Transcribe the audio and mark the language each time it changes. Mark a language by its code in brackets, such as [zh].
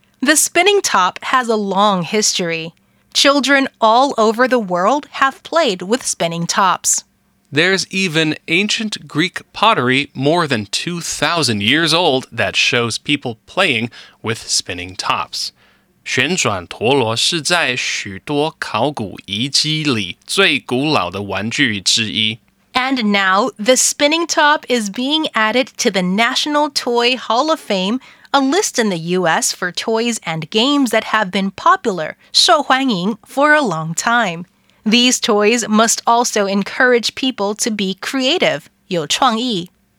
[en] The spinning top has a long history. Children all over the world have played with spinning tops. There's even ancient Greek pottery more than 2,000 years old that shows people playing with spinning tops. [zh] 旋转陀螺是在许多考古遗迹里最古老的玩具之一。 [en] And now, the spinning top is being added to the National Toy Hall of Fame, a list in the U.S. for toys and games that have been popular, [zh] 受欢迎, [en] for a long time. These toys must also encourage people to be creative, [zh] 有创意.